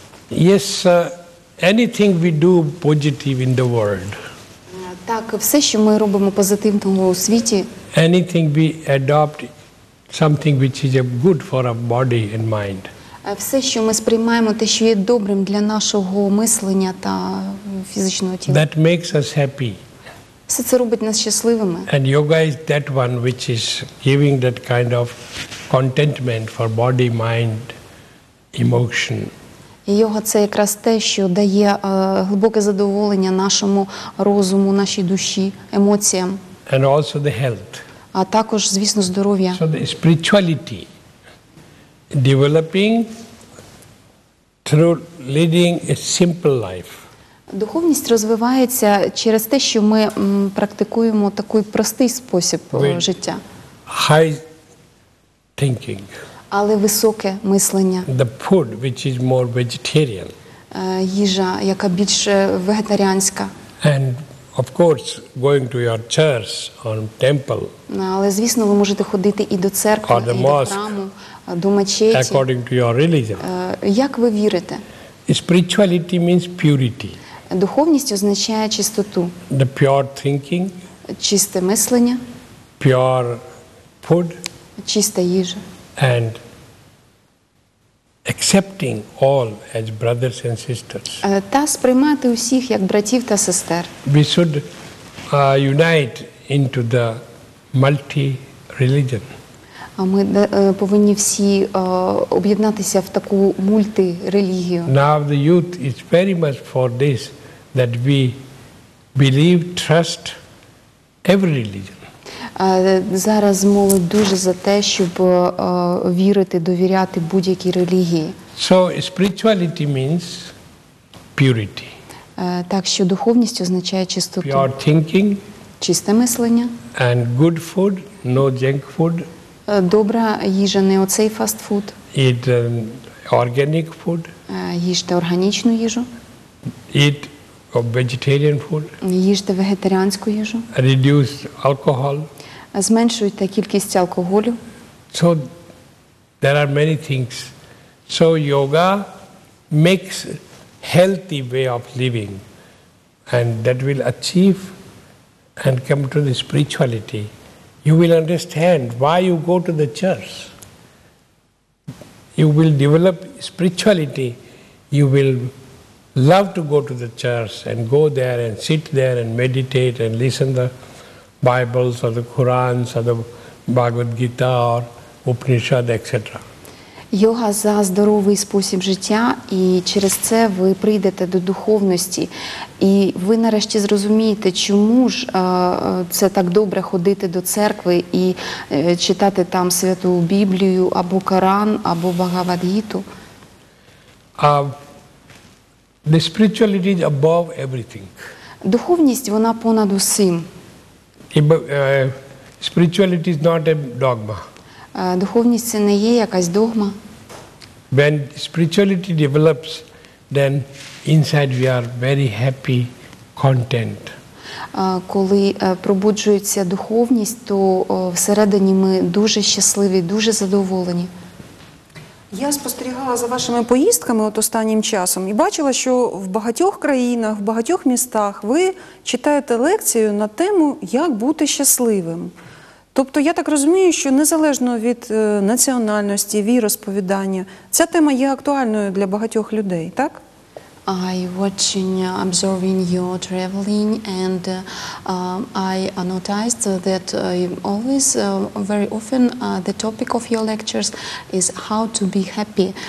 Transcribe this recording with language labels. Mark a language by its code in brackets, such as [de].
[en] Yes, anything we do positive in the world. [uk] Так, все, що ми робимо позитивного у світі. [en] Anything we adopt, something which is good for our body and mind. [uk] Все, що ми сприймаємо, те, що є добрим для нашого мислення та фізичного тіла. [en] That makes us happy. [uk] Все це робить нас щасливими. [en] And yoga is that one which is giving that kind of contentment for body, mind, emotion. [uk] І йога – це якраз те, що дає глибоке задоволення нашому розуму, нашій душі, емоціям. [en] And also the health. [uk] А також, звісно, здоров'я. [en] So the spirituality, developing through leading a simple life. [uk] Духовність розвивається через те, що ми практикуємо такий простий спосіб життя. [en] High thinking. [uk] Але високе мислення. [en] The food which is more vegetarian. [uk] Їжа, яка більш вегетаріанська. [en] And of course going to your church or temple. [uk] Але звісно, ви можете ходити і до церкви, і до храму, до мечеті. [en] According to your religion. [uk] Як ви вірите? [en] Spirituality means purity. [uk] Духовність означає чистоту. [en] The pure thinking. [uk] Чисте мислення. [en] Pure food. [uk] Чиста їжа. [en] And accepting all as brothers and sisters. [uk] Та сприймати усіх як братів та сестер. [en] We should unite into the multi-religion. [uk] А ми повинні всі об'єднатися в таку мультирелігію. [en] Now the youth is very much for this, that we believe, trust every religion. [uk] Зараз молодь дуже за те, щоб вірити, довіряти будь-якій релігії. [en] So spirituality means purity. [uk] Так що духовність означає чистоту. [en] Pure thinking. [uk] Чисте мислення. [en] And good food, no junk food. [uk] Добра їжа, не оцей fast food. [en] Eat organic food. [uk] Їжте органічну їжу. [en] Eat vegetarian food. [uk] Їжте вегетаріанську їжу. [en] Reduce alcohol. [uk] Зменшуйте кількість алкоголю. [en] So there are many things. So yoga makes healthy way of living, and that will achieve and come to the spirituality. You will understand why you go to the church. You will develop spirituality. You will love to go to the church and go there and sit there and meditate and listen to the Bibles or the Qurans or the Bhagavad Gita or Upanishad, etc. [uk] Йога – за здоровий спосіб життя, і через це ви прийдете до духовності. І ви нарешті зрозумієте, чому ж це так добре ходити до церкви і читати там Святу Біблію, або Коран, або Бхагавад Гіту. [en] The spirituality is above everything. [uk] Духовність – вона понад усім. [en] Spirituality is not a dogma. [uk] Духовність – це не є якась догма. [en] When spirituality develops, then inside we are very happy, content. [uk] Коли пробуджується духовність, то всередині ми дуже щасливі, дуже задоволені. Я спостерігала за вашими поїздками от останнім часом і бачила, що в багатьох країнах, в багатьох містах ви читаєте лекцію на тему «Як бути щасливим». Тобто, я так розумію, що незалежно від національності, віросповідання, ця тема є актуальною для багатьох людей, так? [en] I watching, observing your traveling, and I noticed that always, very often, the topic of your lectures is how to be happy.